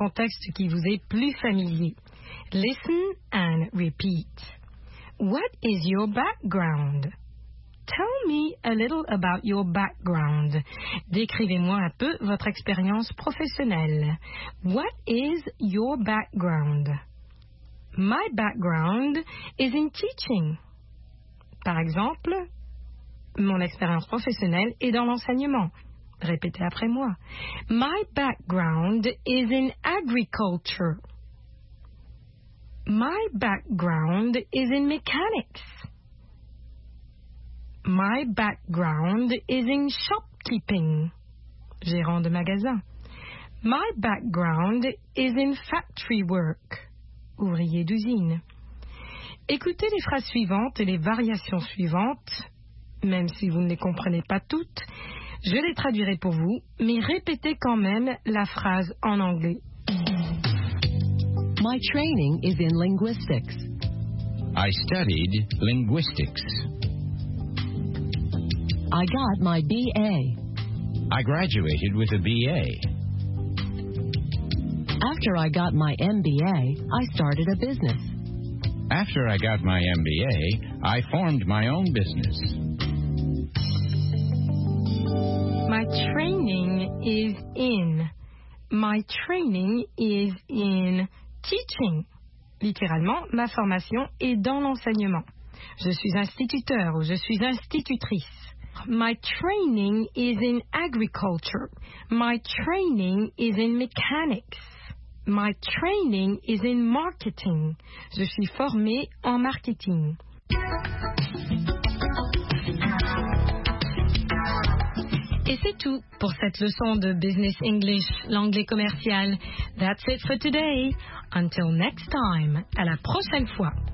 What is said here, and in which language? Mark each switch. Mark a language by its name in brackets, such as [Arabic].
[French] contexte qui vous est plus familier. [English] Listen and repeat. What is your background? Tell me a little about your background. [French] Décrivez-moi un peu votre expérience professionnelle. [English] What is your background? My background is in teaching. [French] Par exemple, mon expérience professionnelle est dans l'enseignement. Répétez après moi. [English] My background is in agriculture. My background is in mechanics. My background is in shopkeeping. [French] Gérant de magasin. [English] My background is in factory work. [French] Ouvrier d'usine. Écoutez les phrases suivantes et les variations suivantes. Même si vous ne les comprenez pas toutes, je les traduirai pour vous, mais répétez quand même la phrase en anglais. [English] My training is in linguistics. I studied linguistics. I got my BA. I graduated with a BA. After I got my MBA, I started a business. After I got my MBA, I formed my own business. My training is in. My training is in teaching. [French] Littéralement, ma formation est dans l'enseignement. Je suis instituteur ou je suis institutrice. [English] My training is in agriculture. My training is in mechanics. My training is in marketing. [French] Je suis formé en marketing. Et c'est tout pour cette leçon de Business English, l'anglais commercial. [English] That's it for today. Until next time, [French] à la prochaine fois.